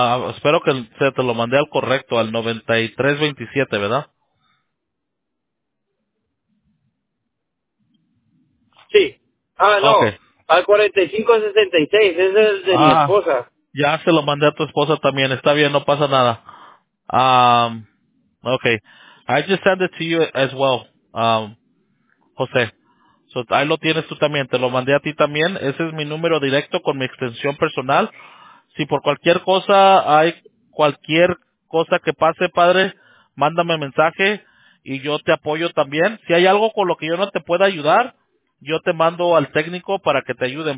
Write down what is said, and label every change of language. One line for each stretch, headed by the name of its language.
Spanish: Espero que se te lo mandé al correcto, al 9327, ¿verdad? Sí. Al 4566, ese es de mi esposa. Ya se lo mandé a tu esposa también, está bien, no pasa nada. Okay.
English: I just sent it to you as well, José.
Spanish: So, ahí lo tienes tú también, te lo mandé a ti también. Ese es mi número directo con mi extensión personal. Si por cualquier cosa hay cualquier cosa que pase, padre, mándame mensaje y yo te apoyo también. Si hay algo con lo que yo no te pueda ayudar, yo te mando al técnico para que te ayuden.